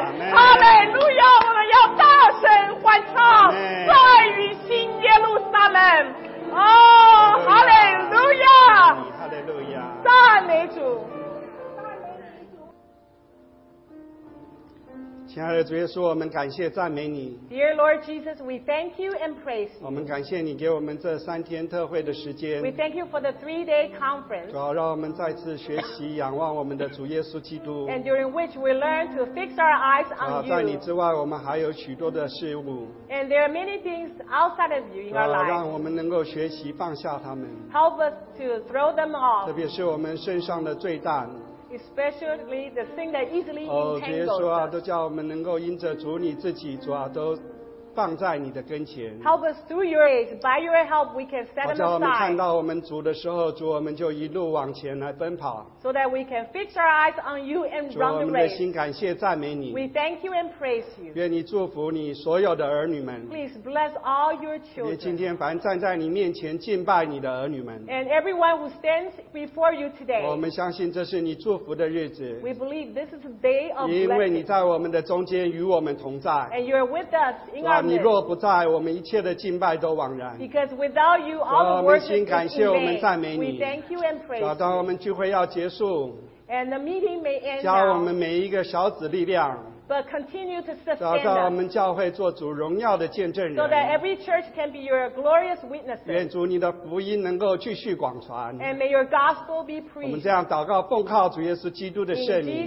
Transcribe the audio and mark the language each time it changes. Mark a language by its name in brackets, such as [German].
[Chinese] 哈利路亚，我们要大声欢唱，在于新耶路撒冷。哦，哈利路亚，赞美主。亲爱的主耶稣，我们感谢赞美你。 [English] Dear Lord Jesus, we thank you and praise you. [Chinese] 我们感谢你给我们这三天特会的时间。 [English] We thank you for the three-day conference. [Chinese] 主要让我们再次学习仰望我们的主耶稣基督。 [English] And during which we learn to fix our eyes on you. [Chinese] 在你之外，我们还有许多的事物。 [English] And there are many things outside of you in our life. [Chinese] 让我们能够学习放下他们。 [English] Help us to throw them off. [Chinese] 特别是我们身上的罪担。 [English] Especially the thing that easily entangles. [Chinese] 主耶稣啊，都叫我们能够因着主你自己，主啊，都放在你的跟前。 [English] Help us through your grace. By your help, we can set them aside. [Chinese] 叫我们看到我们主的时候，主我们就一路往前来奔跑。 [English] So that we can fix our eyes on you and run the race. [Chinese] 主，我们的心感谢赞美你。 [English] We thank you and praise you. [Chinese] 愿你祝福你所有的儿女们。 [English] Please bless all your children. [Chinese] 今天凡站在你面前敬拜你的儿女们。 [English] And everyone who stands before you today. [Chinese] 我们相信这是你祝福的日子。 [English] We believe this is a day of blessing. [Chinese] 因为你在我们的中间与我们同在。 [English] And you are with us in our [Chinese] 你若不在，我们一切的敬拜都枉然。 [English] Because without you, all the worship is in vain. [Chinese] 我们心感谢，我们赞美你。 [English] We thank you and praise you. [Chinese] 当我们聚会要结束。 [English] And the meeting may end now. [Chinese] 加我们每一个小子力量。 [English] But continue to sustain us. [Chinese] 让我们教会做主荣耀的见证人。 [English] So that every church can be your glorious witnesses. [Chinese] 愿主你的福音能够继续广传。 [English] And may your gospel be preached. [Chinese] 我们这样祷告，奉靠主耶稣基督的圣名。